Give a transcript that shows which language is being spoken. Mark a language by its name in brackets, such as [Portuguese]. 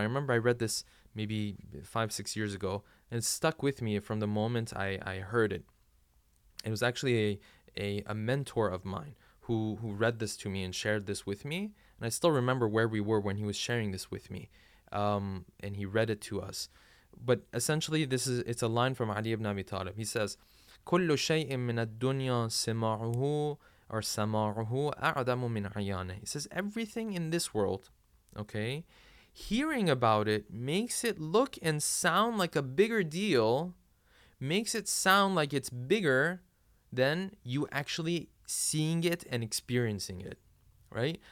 [English] I remember I read this maybe 5-6 years ago, and it stuck with me from the moment I heard it. It was actually a mentor of mine who read this to me and shared this with me. And I still remember where we were when he was sharing this with me. And he read it to us. But essentially, it's a line from Ali ibn Abi Talib. He says, [Arabic] كُلُّ شَيْءٍ مِنَ الدُّنْيَا سِمَعُهُ or سَمَعُهُ أَعْدَمُ مِنْ عَيَانِهِ. [English] He says, everything in this world, okay, hearing about it makes it look and sound like a bigger deal, makes it sound like it's bigger than you actually seeing it and experiencing it, right?